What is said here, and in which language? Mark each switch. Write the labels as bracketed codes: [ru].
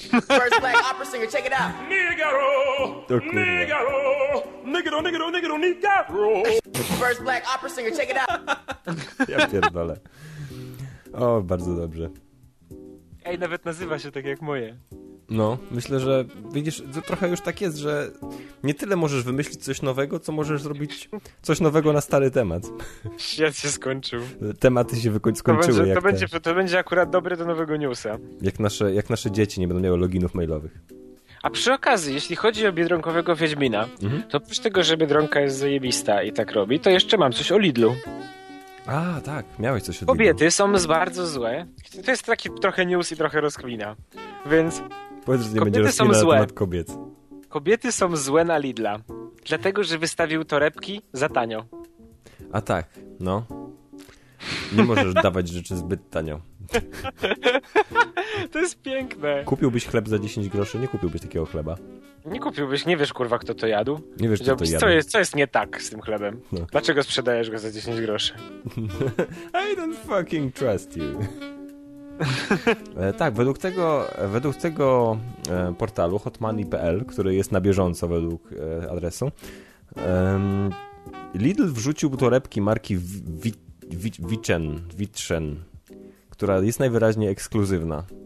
[en] First black opera singer, check it out. Nigaro! [pl] To kurwa. Nigaro! Nigaro, Nigaro, Nigaro, Nigaro! [en] First black opera singer, check it out. [pl] Ja pierdolę. O, bardzo dobrze. Ej, nawet nazywa się tak jak moje. No, myślę, że widzisz, to trochę już tak jest, że nie tyle możesz wymyślić coś nowego, co możesz zrobić coś nowego na stary temat. Świat się skończył. Tematy się skończyły. To będzie akurat dobre do nowego newsa. Jak nasze dzieci nie będą miały loginów mailowych. A przy okazji, jeśli chodzi o biedronkowego Wiedźmina, to oprócz tego, że biedronka jest zajebista i tak robi, to jeszcze mam coś o Lidlu. A, tak, miałeś coś o Lidlu. Kobiety są bardzo złe. To jest taki trochę news i trochę rozkwina. Więc... Powiedz, że nie będzie rozkwina na temat kobiet. Kobiety są złe na Lidla. Dlatego, że wystawił torebki za tanio. A tak, no. Nie możesz dawać rzeczy zbyt tanio. To jest piękne. Kupiłbyś chleb za 10 groszy? Nie kupiłbyś takiego chleba. Nie kupiłbyś, nie wiesz kurwa kto to jadł. Nie wiesz kto to jadł. Co jest nie tak z tym chlebem? No. Dlaczego sprzedajesz go za 10 groszy? [en] I don't fucking trust you. [pl] Tak, według tego portalu hotmoney.pl, który jest na bieżąco według adresu, Lidl wrzucił torebki marki Vichen, która jest najwyraźniej ekskluzywna.